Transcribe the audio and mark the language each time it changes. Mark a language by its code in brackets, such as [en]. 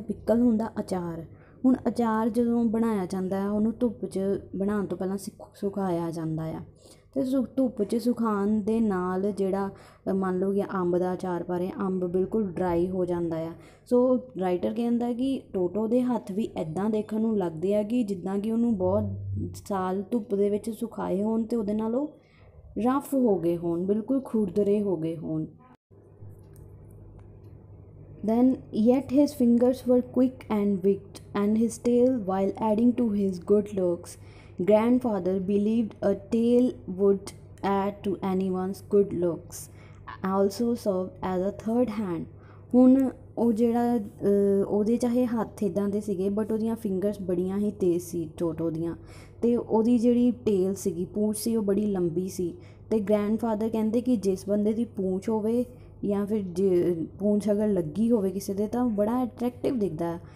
[pa] Pickle ਹੁੰਦਾ ਅਚਾਰ। ਹੁਣ ਅਚਾਰ ਜਦੋਂ ਬਣਾਇਆ ਜਾਂਦਾ ਆ ਉਹਨੂੰ ਧੁੱਪ 'ਚ ਬਣਾਉਣ ਤੋਂ ਪਹਿਲਾਂ ਸੁਕਾਇਆ ਜਾਂਦਾ ਆ, ਅਤੇ ਧੁੱਪ 'ਚ ਸੁਕਾਉਣ ਦੇ ਨਾਲ ਜਿਹੜਾ ਮੰਨ ਲਓ ਕਿ ਅੰਬ ਦਾ ਅਚਾਰ ਪਾ ਰਹੇ, ਅੰਬ ਬਿਲਕੁਲ ਡਰਾਈ ਹੋ ਜਾਂਦਾ ਆ। ਸੋ ਰਾਈਟਰ ਕਹਿੰਦਾ ਕਿ ਟੋਟੋ ਦੇ ਹੱਥ ਵੀ ਇੱਦਾਂ ਦੇਖਣ ਨੂੰ ਲੱਗਦੇ ਆ ਕਿ ਜਿੱਦਾਂ ਕਿ ਉਹਨੂੰ ਬਹੁਤ ਸਾਲ ਧੁੱਪ ਦੇ ਵਿੱਚ ਸੁਕਾਏ ਹੋਣ ਅਤੇ ਉਹਦੇ ਨਾਲ ਉਹ ਰਫ ਹੋ ਗਏ ਹੋਣ, ਬਿਲਕੁਲ ਖੁਰਦਰੇ ਹੋ ਗਏ ਹੋਣ। [en] Then yet his fingers were quick and wicked and his tail, while adding to his good looks, grandfather believed a tail would add to anyone's good looks, also served as a third hand. [pa] ਹੁਣ ਉਹ ਜਿਹੜਾ ਉਹਦੇ ਚਾਹੇ ਹੱਥ ਇੱਦਾਂ ਦੇ ਸੀਗੇ but ਉਹਦੀਆਂ ਫਿੰਗਰਸ ਬੜੀਆਂ ਹੀ ਤੇਜ਼ ਸੀ ਟੋਟੋ ਦੀਆਂ, ਅਤੇ ਉਹਦੀ ਜਿਹੜੀ ਟੇਲ ਸੀਗੀ ਪੂੰਛ ਸੀ ਉਹ ਬੜੀ ਲੰਬੀ ਸੀ। ਅਤੇ ਗ੍ਰੈਂਡਫਾਦਰ ਕਹਿੰਦੇ ਕਿ ਜਿਸ ਬੰਦੇ ਦੀ ਪੂੰਛ ਹੋਵੇ ਜਾਂ ਫਿਰ ਜੇ ਪੂੰਛ ਅਗਰ ਲੱਗੀ ਹੋਵੇ ਕਿਸੇ ਦੇ ਤਾਂ ਬੜਾ ਅਟਰੈਕਟਿਵ ਦਿਖਦਾ ਹੈ।